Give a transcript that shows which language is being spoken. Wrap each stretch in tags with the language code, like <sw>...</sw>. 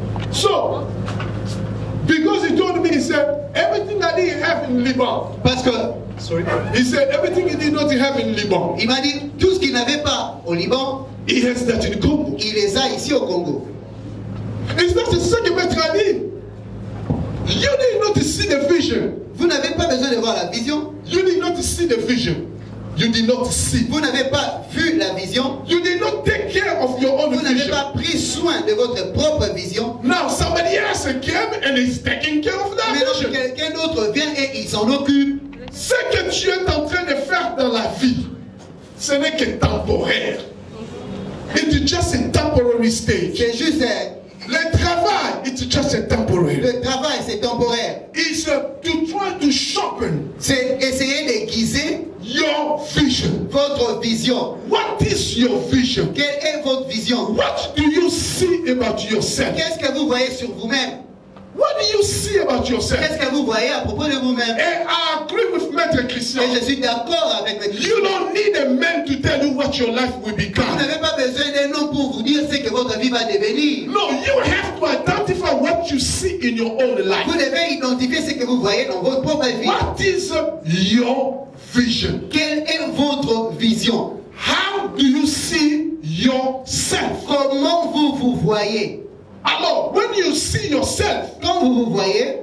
<en>So, because he told me, he said, everything that he have in Liban.</en> <fr>Parce que,</fr> <en>sorry. He said, everything he did not have in Liban.</en> <fr>Il m'a dit, tout ce qu'il n'avait pas au Liban.</fr> <en>He has that in Congo.</en> <fr>Il les a ici au Congo. Et c'est ça que Maître a dit.</fr> <en>You need not to see the vision.</en> <fr>Vous n'avez pas besoin de voir la vision.</fr> <en>You need not to see the vision. You need not to see.</en> <fr>Vous n'avez pas vu la vision.</fr> <en>You need not take care of your own</en> <fr>vous</fr> <en>vision.</en> <fr>Vous n'avez pas pris soin de votre propre vision.</fr> <en>Now somebody else came and is taking care of that.</en> <fr>Maintenant,</fr> <en>vision.</en> <fr>Quelqu'un d'autre vient et il s'en occupe. Ce que tu es en train de faire dans la vie, ce n'est que temporaire.</fr> <en>It's just a temporary stage.</en> <fr>C'est juste un. Le travail,</fr> <en>it's just a temporary.</en> <fr>Le travail, c'est temporaire.</fr> <en>It's to try to sharpen.</en> <fr>C'est essayer d'aiguiser</fr> <en>your vision.</en> <fr>Votre vision.</fr> <en>What is your vision?</en> <fr>Quelle est votre vision?</fr> <en>What do you see about yourself?</en> <fr>Qu'est-ce que vous voyez sur vous-même?</fr> <en>What do you see about yourself?</en> <fr>Qu'est-ce que vous voyez à propos de vous-même?</fr> <en>And I agree with Maître Christian.</en> <fr>Et je suis d'accord avec Maître Christian.</fr> <en>You don't need a man to tell you what your life will become.</en> <fr>Vous n'avez pas besoin d'un homme pour vous dire ce que votre vie va devenir.</fr> <en>No, you have to identify what you see in your own life.</en> <fr>Vous devez identifier ce que vous voyez dans votre propre vie.</fr> <en>What is your vision?</en> <fr>Quelle est votre vision?</fr> <en>How do you see yourself?</en> <fr>Comment vous vous voyez? Alors,</fr> <en>when you see yourself,</en> <fr>quand vous vous voyez,</fr>